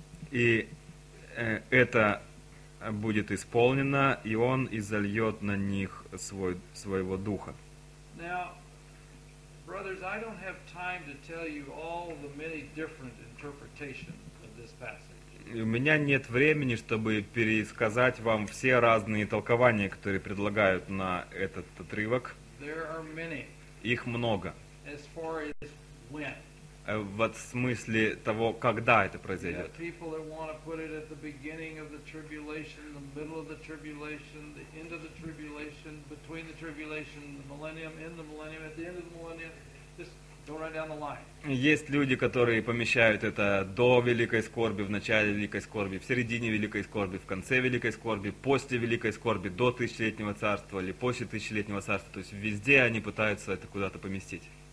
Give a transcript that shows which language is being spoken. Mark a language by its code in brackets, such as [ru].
[ru] И это будет исполнено, и Он изольет на них своего Духа. [en] Now, brothers, I don't have time to tell you all the many different interpretations of this passage. [ru] У меня нет времени, чтобы пересказать вам все разные толкования, которые предлагают на этот отрывок. [en] There are many. [ru] Их много. [en] As far as when. [ru] В смысле того, когда это произойдет. [en] Yeah, people that want to put it at the beginning of the tribulation, the middle of the tribulation, the end of the tribulation, between the tribulation, the millennium, in the millennium, at the end of the millennium, just go right down the line. [ru] Есть люди, которые помещают это до великой скорби, в начале великой скорби, в середине великой скорби, в конце великой скорби, после великой скорби, до тысячелетнего царства или после тысячелетнего царства. То есть везде они пытаются это куда-то поместить.